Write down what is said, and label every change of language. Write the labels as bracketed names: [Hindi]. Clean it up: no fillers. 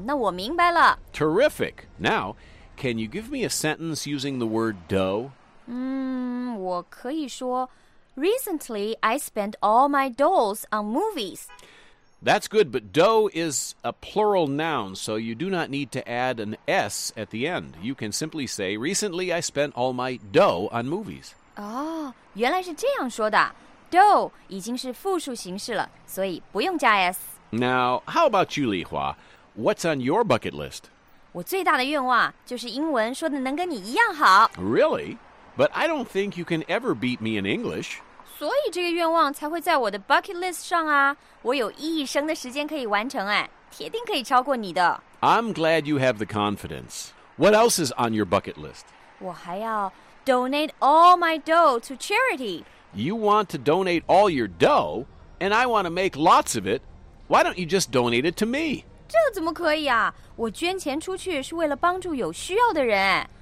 [Chinese] 那我明白了。 [English] Terrific. Now, can you give me a sentence using the word dough? [Chinese] 我可以说 ， [English] Recently, I spent all my doughs on movies. That's good, but dough is a plural noun, so you do not need to add an s at the end. You can simply say, "Recently, I spent all my dough on movies." [Chinese] 哦，原来是这样说的。Dough 已经是复数形式了，所以不用加 s. [English] Now, how about you, Li Hua? What's on your bucket list? [Chinese] 我最大的愿望就是英文说的能跟你一样好。 [English] Really? But I don't think you can ever beat me in English. [Chinese] 所以这个愿望才会在我的 bucket list 上啊。我有一生的时间可以完成，哎，铁定可以超过你的。 [English] I'm glad you have the confidence. What else is on your bucket list? [Chinese] 我还要 [English] donate all my dough to charity. You want to donate all your dough, and I want to make lots of it. Why don't you just donate it to me? [Chinese] 这怎么可以啊？我捐钱出去是为了帮助有需要的人。